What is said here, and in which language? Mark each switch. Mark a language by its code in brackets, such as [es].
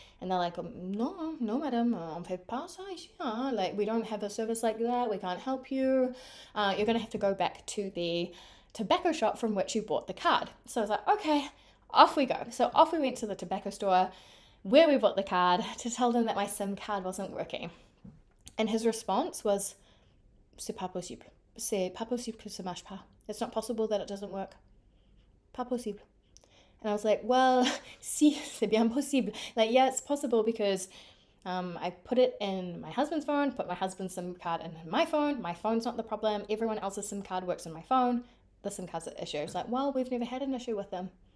[en] And they're like, no, madam, on paper, yeah, like we don't have a service like that. We can't help you. You're going to have to go back to the tobacco shop from which you bought the card. So I was like, okay, off we go. So off we went to the tobacco store where we bought the card to tell them that my SIM card wasn't working. And his response was, [fr] c'est pas possible que ça marche pas. [en] It's not possible that it doesn't work. [fr] Pas possible. [en] And I was like, well, [fr] si, c'est bien possible. [en] Like, yeah, it's possible because I put it in my husband's phone, put my husband's SIM card in my phone. My phone's not the problem. Everyone else's SIM card works on my phone. The SIM card's the issue. It's like, well, we've never had an issue with them.